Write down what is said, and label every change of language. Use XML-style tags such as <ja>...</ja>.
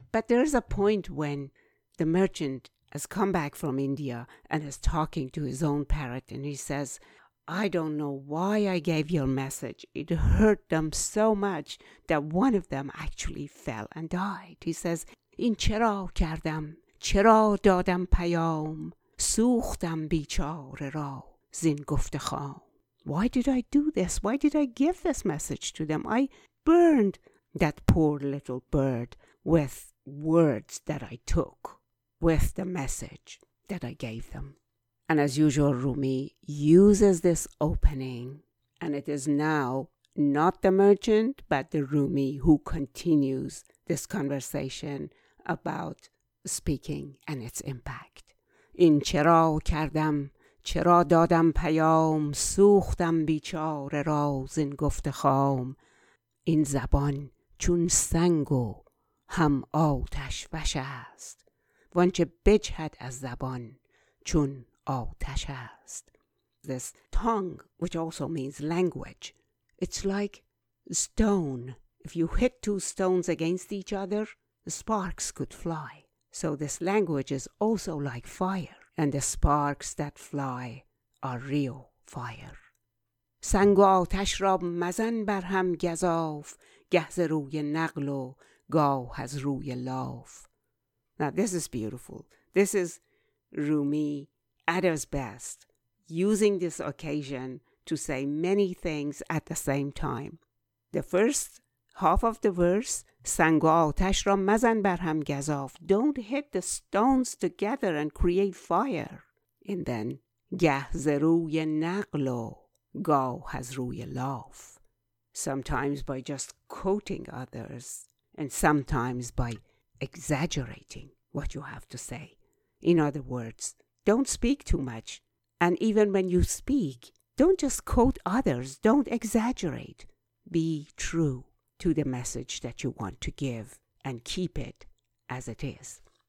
<en>But there is a point when the merchant has come back from India and is talking to his own parrot, and he says, I don't know why I gave your message. It hurt them so much that one of them actually fell and died. He says,</en> <fa>این چرا کردم چرا دادم پیام سوختم بیچاره را زین گفته خام.</fa> <en>Why did I do this? Why did I give this message to them? I burned that poor little bird with words that I took, with the message that I gave them. And as usual, Rumi uses this opening, and it is now not the merchant, but the Rumi who continues this conversation about speaking and its impact.</en> <fa>In چرا کردم؟ چرا دادم پیام؟ سوختم بیچاره را زین گفته خام. این زبان چون سنگ و هم آتش وش است. وانچه بجهد از زبان چون آتش است.</fa> <en>This tongue, which also means language, it's like stone. If you hit two stones against each other, the sparks could fly. So this language is also like fire, and the sparks that fly are real fire.</en> <fa>سنگ و آتش را مزن بر هم گزاف، گه ز روی نقل و گاه از روی لاف.</fa> <en>Now this is beautiful. This is Rumi at his best, using this occasion to say many things at the same time. The first half of the verse,</en> <fa>سنگ و آتش را مزن بر هم گزاف.</fa> <en>Don't hit the stones together and create fire. And then,</en> <fa>گه ز روی نقل و گاه از روی لاف.</fa> <en>Sometimes by just quoting others and sometimes by exaggerating what you have to say. In other words, don't speak too much. And even when you speak, don't just quote others. Don't exaggerate. Be true to the message that you want to give and keep it as it is.</en>